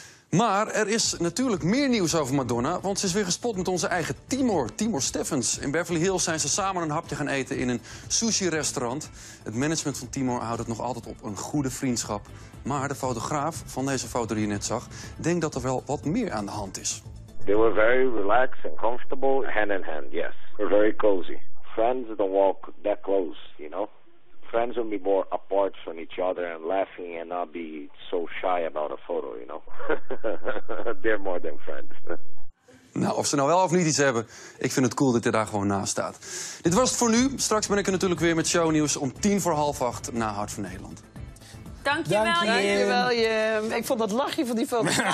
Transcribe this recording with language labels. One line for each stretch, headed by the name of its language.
Dutch: Maar er is natuurlijk meer nieuws over Madonna, want ze is weer gespot met onze eigen Timur Steffens. In Beverly Hills zijn ze samen een hapje gaan eten in een sushi-restaurant. Het management van Timur houdt het nog altijd op een goede vriendschap. Maar de fotograaf van deze foto die je net zag, denkt dat er wel wat meer aan de hand is.
English: They were very relaxed and comfortable, hand in hand, yes. We're very cozy. Friends don't walk that close, you know. Friends will be more apart from each other and laughing and not be so shy about a photo, you know. They're more than friends.
Dutch: Nou, of ze nou wel of niet iets hebben, ik vind het cool dat hij daar gewoon naast staat. Dit was het voor nu. Straks ben ik er natuurlijk weer met shownieuws om 7:50 na Hart van Nederland. Dankjewel, Jim. Ik vond dat lachje van die foto.